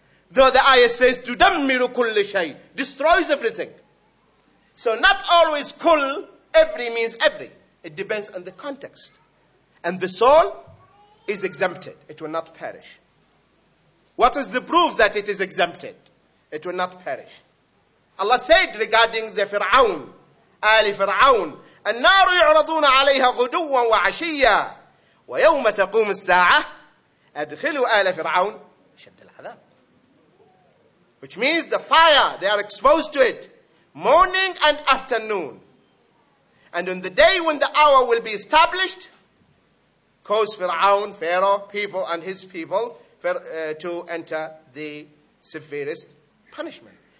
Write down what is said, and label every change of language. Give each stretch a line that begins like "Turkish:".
English: Though the ayah says,
Arabic: تُدَمِّرُ كُلِّ شَيْءٍ,
English: destroys everything. So not always kul, every means every. It depends on the context. And the soul is exempted. It will not perish. What is the proof that it is exempted? It will not perish. Allah said regarding the Fir'aun, Ali Fir'aun,
Arabic: النار يعرضون عليها غدوا وعشيا ويوم تقوم الساعة أدخلوا آل فرعون شد العذاب.
English: Which means the fire, they are exposed to it morning and afternoon. And on the day when the hour will be established, cause Fir'aun, Pharaoh, people and his people to enter the severest punishment.